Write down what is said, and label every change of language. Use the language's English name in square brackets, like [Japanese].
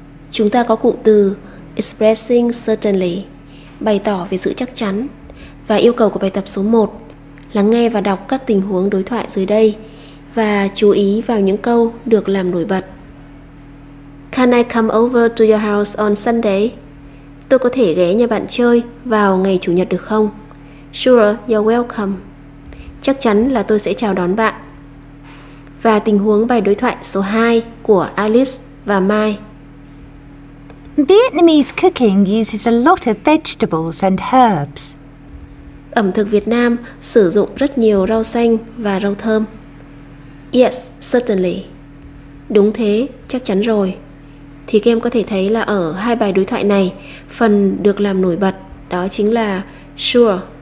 [Vietnamese] Chúng ta có cụm từ expressing certainly, bày tỏ về sự chắc chắn. Và yêu cầu của bài tập số 1, lắng nghe và đọc các tình huống đối thoại dưới đây và chú ý vào những câu được làm nổi bật. [English] Can I come over to your house on Sunday? [Vietnamese] Tôi có thể ghé nhà bạn chơi vào ngày Chủ nhật được không? [English] Sure, you're welcome. [Vietnamese] Chắc chắn là tôi sẽ chào đón bạn. Và tình huống bài đối thoại số 2 của Alice và Mai. [English] Vietnamese cooking uses a lot of vegetables and herbs. [Vietnamese] Ẩm thực Việt Nam sử dụng rất nhiều rau xanh và rau thơm. [English] Yes, certainly. [Vietnamese] Đúng thế, chắc chắn rồi. Thì các em có thể thấy là ở hai bài đối thoại này, phần được làm nổi bật đó chính là sure.